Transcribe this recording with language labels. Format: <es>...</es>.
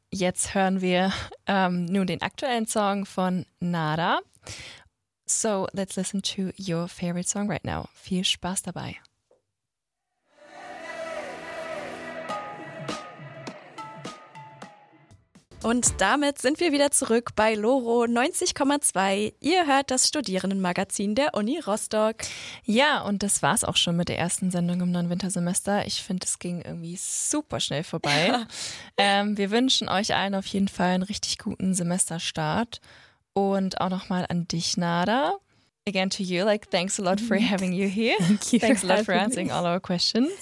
<de>Jetzt hören wir nun den aktuellen Song von Nada.</de> <en>So let's listen to your favorite song right now.</en> <de>Viel Spaß dabei. Und damit sind wir wieder zurück bei Loro 90,2. Ihr hört das Studierendenmagazin der Uni Rostock. Ja, und das war's auch schon mit der ersten Sendung im neuen Wintersemester. Ich finde, es ging irgendwie super schnell vorbei. wir wünschen euch allen auf jeden Fall einen richtig guten Semesterstart. Und auch nochmal an dich, Nada.</de> <en>Again to you, like, thanks a lot for having you here. Thank you. Thanks a lot for answering all our questions.</en>